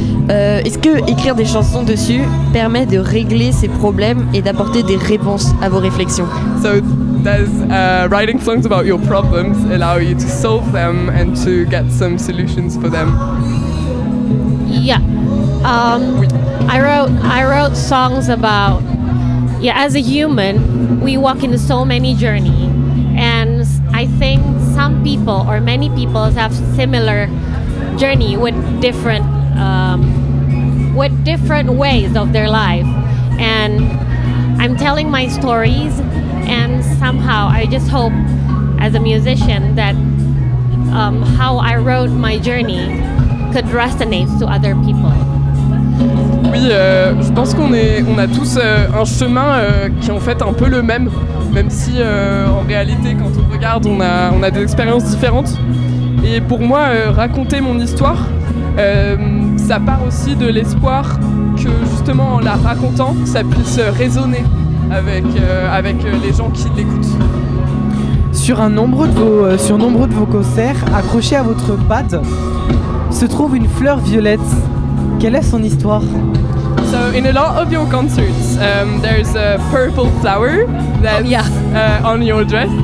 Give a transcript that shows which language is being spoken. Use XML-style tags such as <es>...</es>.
<fr>Est-ce que écrire des chansons dessus permet de régler ces problèmes et d'apporter des réponses à vos réflexions?</fr> <en>So does writing songs about your problems allow you to solve them and to get some solutions for them? Yeah. I wrote songs about, yeah, as a human, we walk in so many journeys, and I think some people or many people have similar journey with different ways of their life, and I'm telling my stories, and somehow I just hope as a musician that how I wrote my journey could resonate to other people.</en> <fr>Oui, je pense qu'on a tous un chemin qui est en fait un peu le même, même si en réalité quand on regarde on a des expériences différentes. Et pour moi, raconter mon histoire, ça part aussi de l'espoir que justement en la racontant, ça puisse résonner avec les gens qui l'écoutent. Sur nombre de vos concerts, accroché à votre patte, se trouve une fleur violette. Quelle est son histoire?</fr> <en>So in a lot of your concerts, there's a purple flower that's on your dress.</en>